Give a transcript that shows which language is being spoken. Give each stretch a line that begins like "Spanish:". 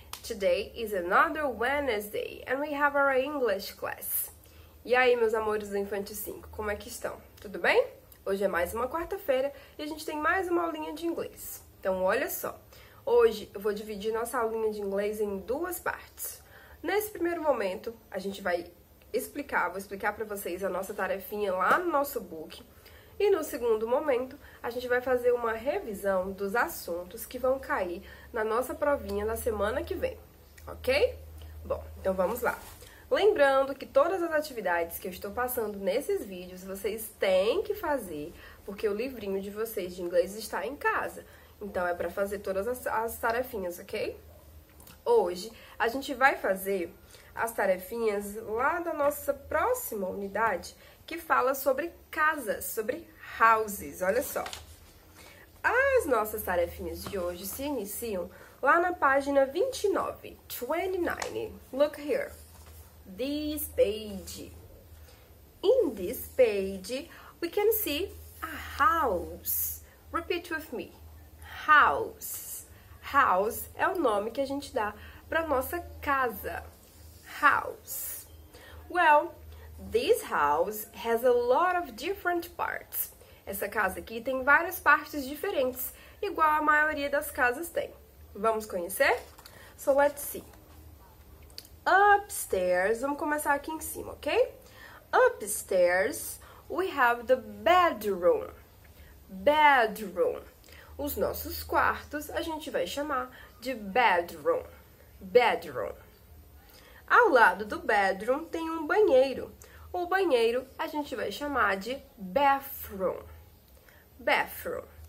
English: Today is another Wednesday and we have our English class.
Portuguese: E aí, meus amores do Infante 5, como é que estão? Tudo bem? Hoje é mais uma quarta-feira e a gente tem mais uma aulinha de inglês. Então, olha só. Hoje eu vou dividir nossa aulinha de inglês em duas partes. Nesse primeiro momento, a gente vai explicar, vou explicar para vocês a nossa tarefinha lá no nosso book. E no segundo momento, a gente vai fazer uma revisão dos assuntos que vão cair na nossa provinha na semana que vem, ok? Bom, então vamos lá. Lembrando que todas as atividades que eu estou passando nesses vídeos, vocês têm que fazer, porque o livrinho de vocês de inglês está em casa. Então, é para fazer todas as tarefinhas, ok? Hoje, a gente vai fazer as tarefinhas lá da nossa próxima unidade, que fala sobre casas, sobre houses, olha só. As nossas tarefinhas de hoje se iniciam lá na página 29, 29.
English: Look here, this page. In this page, we can see a house. Repeat with me, house.
Portuguese: House é o nome que a gente dá para nossa casa, house.
English: Well, this house has a lot of different parts.
Portuguese: Essa casa aqui tem várias partes diferentes, igual a maioria das casas tem. Vamos conhecer?
English: So, let's see.
Portuguese: Upstairs, vamos começar aqui em cima, ok?
English: Upstairs, we have the bedroom. Bedroom.
Portuguese: Os nossos quartos, a gente vai chamar de bedroom. Bedroom. Ao lado do bedroom, tem um banheiro. O banheiro a gente vai chamar de bathroom. Bathroom.